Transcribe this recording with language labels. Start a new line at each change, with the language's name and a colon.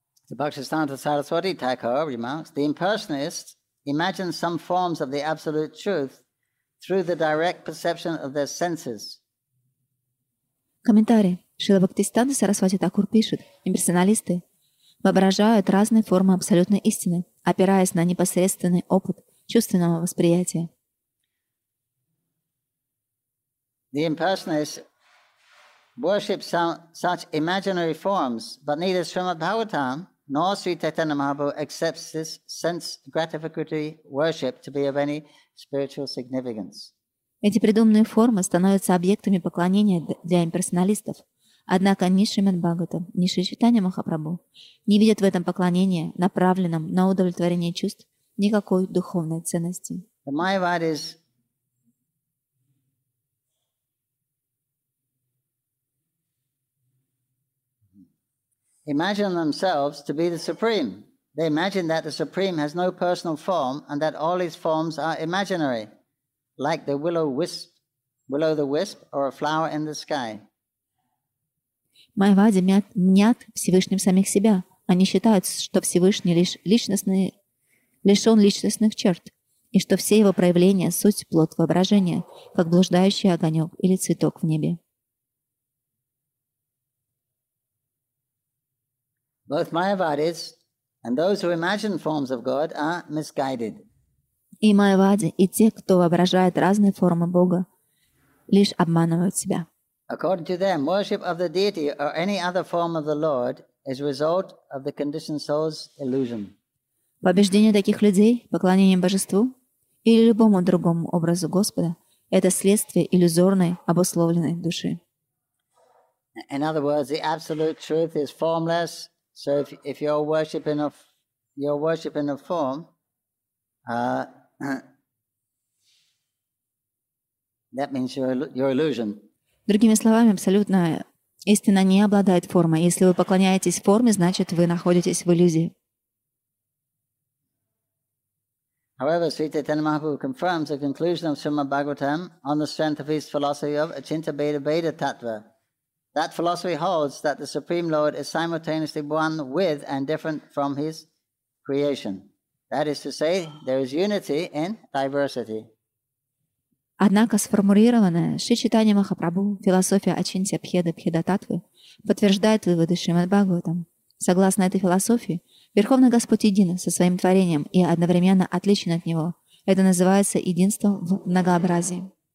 English: The Bhaktisiddhanta Saraswati Thakur remarks, the impersonalist imagines some forms of the absolute truth through the direct perception of their senses.
Russian: Комментарий. Шрила Бхактисиддханта Сарасвати Такур пишет, имперсоналисты воображают разные формы абсолютной истины, опираясь на непосредственный опыт чувственного восприятия.
English: The impersonalist worships such imaginary forms, but neither Srimad Bhagavatam nor Sri Chaitanya Mahaprabhu accepts this sense gratificatory worship to be of any spiritual significance.
Russian: Эти придуманные формы становятся объектами поклонения для имперсоналистов. Однако ни Шримад Бхагаватам, ни Шри Чайтанья Махапрабху не видят в этом поклонении, направленном на удовлетворение чувств, никакой духовной ценности.
English: The Mayavad is imagine themselves to be the Supreme. They imagine that the Supreme has no personal form and that all his forms are imaginary, like the willow the wisp or a flower in the sky.
Russian: Майвади мнят Всевышним самих себя. Они считают, что Всевышний лишен личностных черт, и что все его проявления — суть плод воображения, как блуждающий огонек или цветок в небе.
English: Both Mayavadis and those who imagine forms of God are misguided.
Russian: И Майавади, и те, кто воображает разные формы Бога, лишь обманывают себя.
English: According to them, worship of the deity or any other form of the Lord is a result of the conditioned soul's illusion.
Russian: По убеждению таких людей, поклонение божеству или любому другому образу Господа — это следствие иллюзорной обусловленной души.
English: In other words, the absolute truth is formless. So if you're worshiping a form, that means you're illusion.
Russian: Другими словами, абсолютная истина не обладает формой. Если вы поклоняетесь форме, значит, вы находитесь в иллюзии.
English: However, Sri Chaitanya Mahaprabhu confirms the conclusion of Srimad Bhagavatam on the strength of his philosophy of Achintabheda-Bheda-Tattva. That philosophy holds that the Supreme Lord is simultaneously one with and different from his creation. That is to say, there is unity in diversity.
Russian: Однако сформулированная Шри Чайтанья Махапрабху философия Ачинтья Бхеда Бхеда Таттвы подтверждает выводы Шримад Бхагаватам. Согласно этой философии, Верховный Господь един со своим творением и одновременно отличен от него. Это называется единство в многообразии.